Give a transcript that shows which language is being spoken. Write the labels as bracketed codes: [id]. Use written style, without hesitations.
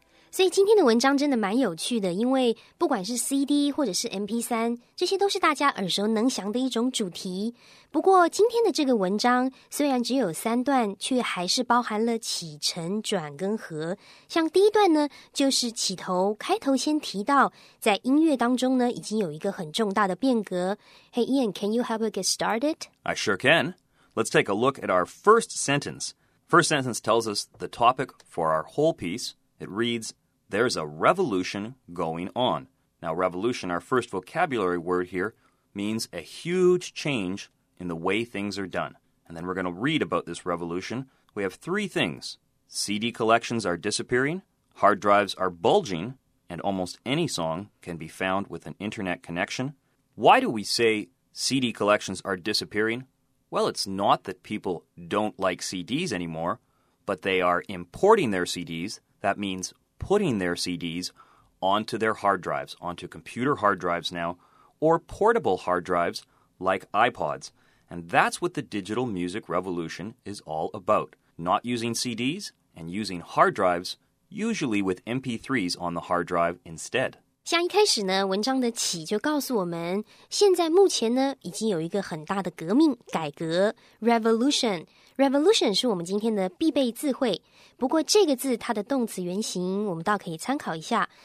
[zh] 所以今天的文章真的蛮有趣的，因为不管是 CD 或者是 MP3, 这些都是大家耳熟能详的一种主题。不过今天的这个文章虽然只有三段，却还是包含了起承转跟合。像第一段呢，就是起头开头先提到在音乐当中呢已经有一个很重大的变革。 [en] Hey Ian, can you help us get started? I sure can. Let's take a look at our first sentence. First sentence tells us the topic for our whole piece. It reads, there's a revolution going on. Now, revolution, our first vocabulary word here, means a huge change in the way things are done. And then we're going to read about this revolution. We have three things. CD collections are disappearing, hard drives are bulging, and almost any song can be found with an internet connection. Why do we say CD collections are disappearing? Well, it's not that people don't like CDs anymore, but they are importing their CDs. That means putting their CDs onto their hard drives, onto computer hard drives now, or portable hard drives like iPods. And that's what the digital music revolution is all about. Not using CDs and using hard drives, usually with MP3s on the hard drive instead. [zh] 像一开始呢，文章的起就告诉我们，现在目前呢，已经有一个很大的革命，改革 ，revolution。 Revolution 是我们今天的必备字汇，不过这个字它的动词原型我们倒可以参考一下。